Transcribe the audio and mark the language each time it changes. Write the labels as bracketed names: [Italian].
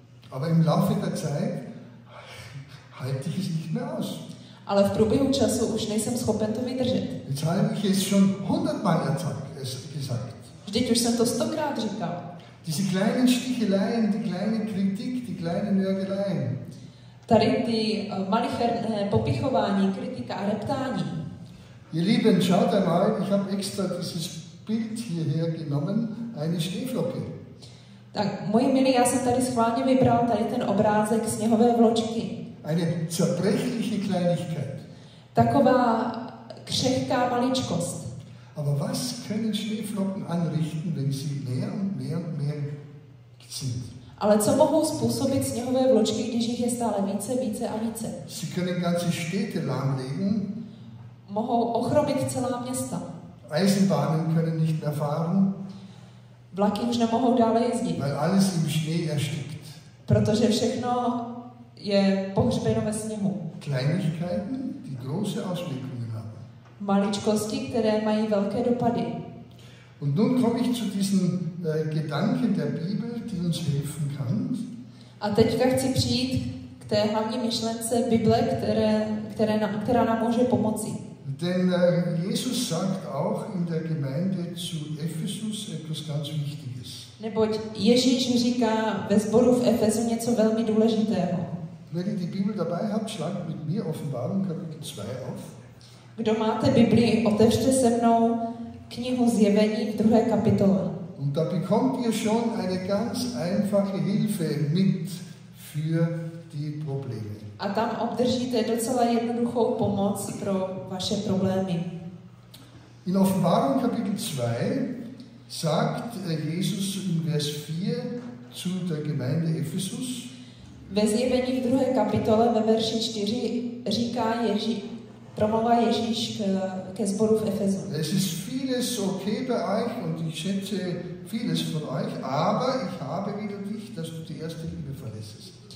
[German] Aber im Laufe der Zeit halte ich es nicht mehr aus. [Czech] Ale v průběhu času už nejsem schopen to vydržet. [German] Jetzt habe ich es schon 100-mal gesagt. [Czech] Vždyť už jsem to 100krát říkal. [German] Diese kleinen Sticheleien, die kleine Kritik, die kleine Nörgeleien. [Czech] Tady ty malicherné popichování, kritika a reptání. [German] Ihr Lieben, schaut einmal, ich habe extra dieses Bild hierher genommen, eine Schneeflocke. [Czech] Tak, moji milí, já jsem tady schválně vybral tady ten obrázek sněhové vločky. [German] Eine zerbrechliche Kleinigkeit. [Czech] Taková křehká maličkost. [German] Aber was können Schneeflocken anrichten, wenn sie mehr und mehr und mehr sind? [Czech] Ale co mohou způsobit sněhové vločky, když jich je stále více, více a více? [German] Sie können ganze Städte lahmlegen. [Czech] Mohou ochromit celá města. [German] Eisenbahnen können nicht mehr fahren. [Czech] Vlaky už nemohou dále jezdit. [German] Weil alles im Schnee erstickt. [Czech] Protože všechno je pohřbeno ve sněhu. [German] Kleinigkeiten, die große Auswirkungen haben. [Czech] Maličkosti, které mají velké dopady. [German] Und nun komme ich zu diesen Gedanken der Bibel, die uns helfen kann. [Czech] A teďka chci přijít k té hlavní myšlence Bible, která nám může pomoci. [German] Denn Jesus sagt auch in der Gemeinde zu Ephesus etwas ganz Wichtiges. [Czech] Neboť Ježíš říká ve sboru v Efesu něco velmi důležitého. [German] Wenn ihr die Bibel dabei habt, schlagt mit mir Offenbarung Kapitel 2 auf. [Czech] Kdo máte Bibli, otevřte se mnou knihu Zjevení v 2. kapitole. [German] Und da bekommt ihr schon eine ganz einfache Hilfe mit für die Probleme. [Czech] A tam obdržíte docela jednoduchou pomoc pro vaše problémy. [German] In Offenbarung Kapitel 2 sagt Jesus in Vers 4 zu der Gemeinde Ephesus. [Czech] Ve Zjevení v 2. kapitole ve verši 4 říká promluvá Ježíš ke sboru v Efezu. [German] Es ist vieles okay bei euch und ich schätze vieles von euch, aber ich habe wieder dich, dass du die erste Liebe verlässest.